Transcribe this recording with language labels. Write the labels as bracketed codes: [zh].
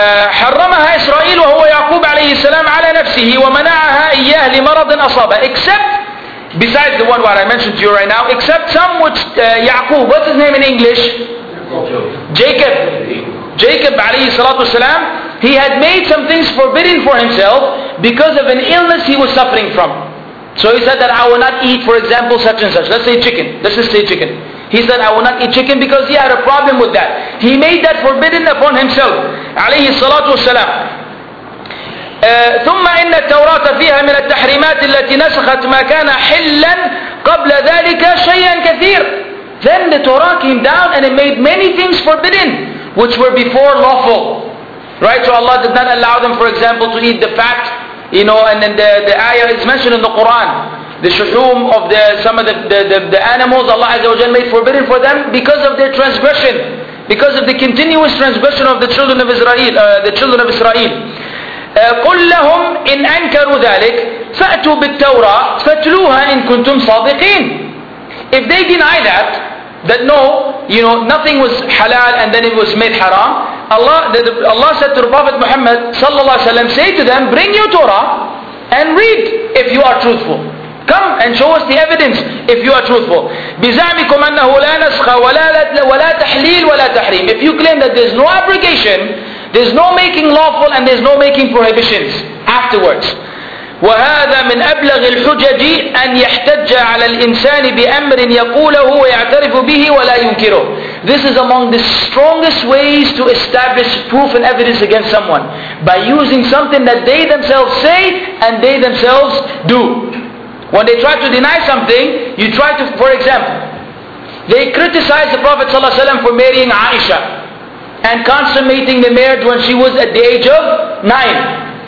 [ar] حرمها إسرائيل وهو يعقوب عليه السلام على نفسه ومنعها إياه لمرض أصابه. [en] Except, besides the one what I mentioned to you right now, except some which Yaqub, what's his name in English? Jacob. Jacob [ar] عليه الصلاة والسلام, [en] he had made some things forbidden for himself because of an illness he was suffering from. So he said that I will not eat, for example, such and such. Let's just say chicken. He said, I will not eat chicken because he had a problem with that. He made that forbidden upon himself. [ar] عليه الصلاة والسلام. ثم إن التوراة فيها من التحريمات التي نسخت ما كان حلا قبل ذلك شيئا كثير. [en] Then the Torah came down and it made many things forbidden which were before lawful. Right? So Allah did not allow them, for example, to eat the fat. You know, and then the ayah is mentioned in the Quran. The shuhum of some of the animals Allah Azza wa Jal made forbidden for them because of their transgression, because of the continuous transgression of the children of Israel. [ar] قل لهم إن أنكروا ذلك فأتوا بالتوراة فتلوها إن كنتم صادقين. [en] If they deny that no, you know, nothing was halal and then it was made haram, Allah said to the Prophet Muhammad sallallahu alaihi wasallam, say to them, bring your Torah and read if you are truthful. Come and show us the evidence if you are truthful. [ar] بزعمكم أنه لا نسخ ولا تحليل ولا تحريم. [en] If you claim that there's no abrogation, there's no making lawful and there's no making prohibitions afterwards. [ar] وهذا من أبلغ الحجج أن يحتج على الإنسان بأمر يقوله ويعترف به ولا ينكره. [en] This is among the strongest ways to establish proof and evidence against someone, by using something that they themselves say and they themselves do. When they try to deny something, you try to, for example, they criticize the Prophet ﷺ for marrying Aisha and consummating the marriage when she was at the age of 9.